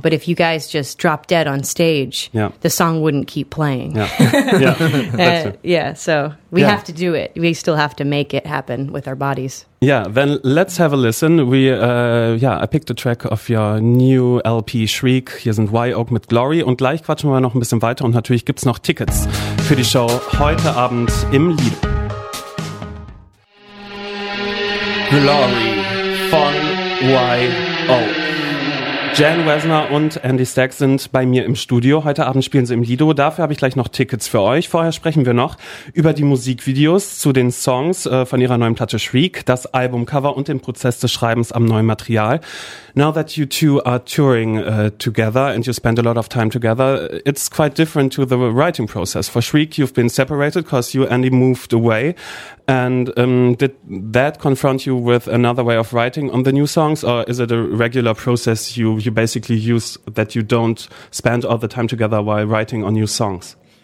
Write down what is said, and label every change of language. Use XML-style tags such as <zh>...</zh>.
<en>but if you guys just drop dead on stage, yeah. the song wouldn't keep playing. Yeah, yeah. yeah, so we yeah. have to do it. We still have to make it happen with our bodies. Yeah, then let's have a listen. I picked a track of your new LP Shriek.</en> <de>Hier sind Y Oak mit Glory. Und gleich quatschen wir noch ein bisschen weiter. Und natürlich gibt's noch Tickets für die Show heute Abend im Lied. Glory von Y Oak. Jen Wesner und Andy Stack sind bei mir im Studio. Heute Abend spielen sie im Lido. Dafür habe ich gleich noch Tickets für euch. Vorher sprechen wir noch über die Musikvideos zu den Songs von ihrer neuen Platte Shriek, das Albumcover und den Prozess des Schreibens am neuen Material.</de> <en>Now that you two are touring together and you spend a lot of time together, it's quite different to the writing process. For Shriek, you've been separated because you, Andy, moved away. And did that confront you with another way of writing on the new songs, or is it a regular process you basically use that you don't spend all the time together while writing on new songs?</en>